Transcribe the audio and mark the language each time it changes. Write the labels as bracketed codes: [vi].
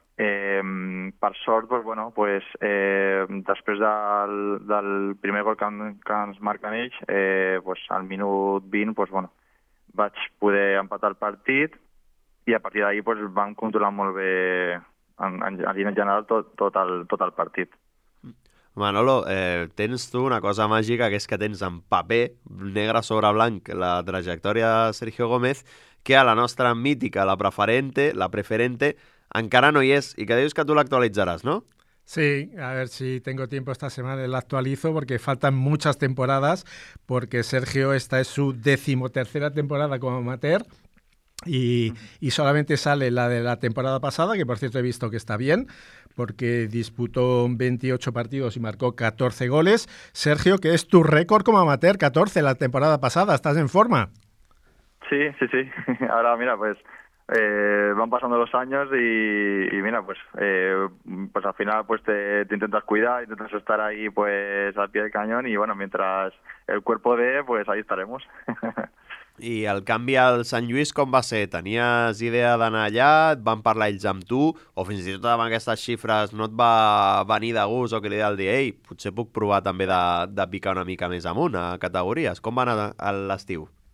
[ca] Per sort, [es] pues bueno, pues [ca] després del primer gol que ens marquen ells, pues al minut 20, pues bueno, vaig poder empatar el partit, i a partir d'ahí pues vam controlar molt bé en general tot el partit. Manolo, tens tu una cosa màgica, que és que tens en paper negre sobre blanc la trajectòria de Sergio Gómez, que a la nostra mítica, la preferente, encara no hi és, i que dius que tu l'actualitzaràs, no? [es] Sí, a ver si tengo tiempo esta semana y la actualizo, porque faltan muchas temporadas, porque Sergio, esta es su 13ª temporada como amateur, y solamente sale la de la temporada pasada, que por cierto he visto que está bien, porque disputó 28 partidos y marcó 14 goles. Sergio, ¿qué es tu récord como amateur? 14 la temporada pasada, ¿estás en forma? Sí, sí, sí. Ahora mira, pues... van pasando los años y mira, pues al final pues te intentas cuidar, intentas estar ahí pues al pie del cañón, y bueno, mientras el cuerpo dé, pues ahí estaremos. [ca] I el canvi al Sant Lluís com va ser? Tenies idea d'anar allà? Et van parlar ells amb tu? O fins i tot amb aquestes xifres no et va venir de gust, o que li deia el dia, ei, potser puc provar també de picar una mica més amunt a categories? Com va anar a l'estiu?